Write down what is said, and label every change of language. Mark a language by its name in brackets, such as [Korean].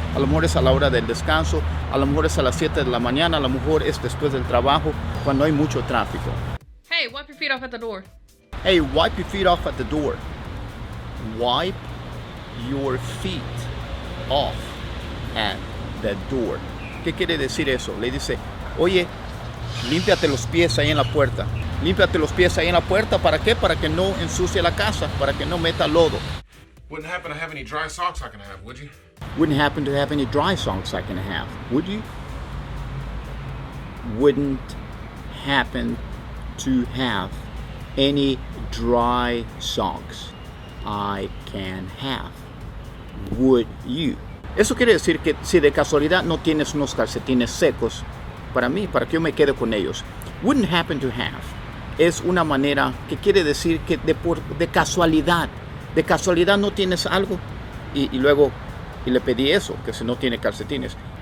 [Spanish] A lo mejor es a la hora del descanso, a lo mejor es a las 7 de la mañana, a lo mejor es después del trabajo, cuando hay mucho tráfico. [English] Hey, wipe your feet off at the door. Hey, wipe your feet off at the door. Wipe your feet off at the door. [Spanish] ¿Qué quiere decir eso? Le dice, oye, límpiate los pies ahí en la puerta. Límpiate los pies ahí en la puerta. ¿Para qué? Para que no ensucie la casa. Para que no meta lodo. [English] Wouldn't happen to have any dry socks I can have, would you? Wouldn't happen to have any dry socks I can have, would you? Wouldn't happen to have any dry socks I can have, would you? [Spanish] Eso quiere decir que si de casualidad no tienes unos calcetines secos, para mí, para que yo me quede con ellos. [English] Wouldn't happen to have. [Spanish] Es una manera que quiere decir que de casualidad no tienes algo. Y luego le pedí eso, que si no tiene calcetines.